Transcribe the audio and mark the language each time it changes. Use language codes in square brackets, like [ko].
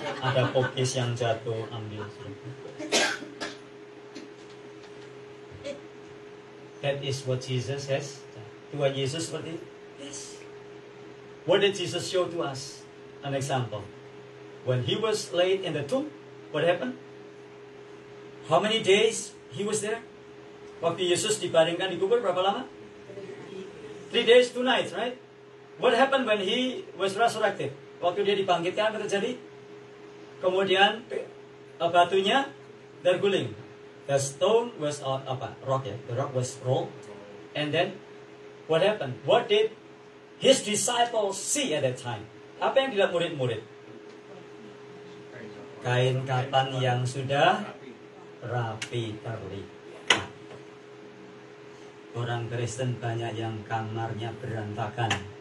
[id] Ada pokis yang jatuh, ambil. [en] That is what Jesus has. [id] Tuhan Yesus seperti itu. [en] Yes. What did Jesus show to us? An example. When he was laid in the tomb, what happened? How many days he was there? [id] Waktu Yesus dibaringkan di kubur berapa lama? [en] 3 days, 2 nights, right? What happened when he was resurrected? [id] Waktu dia dibangkitkan, apa terjadi? Kemudian batunya terguling. [en] The stone was rock, yeah? The rock was rolled. And then what happened? What did his disciples see at that time? [id] Apa yang dilihat murid-murid? Kain kapan yang sudah rapi terlihat. Orang Kristen banyak yang kamarnya berantakan.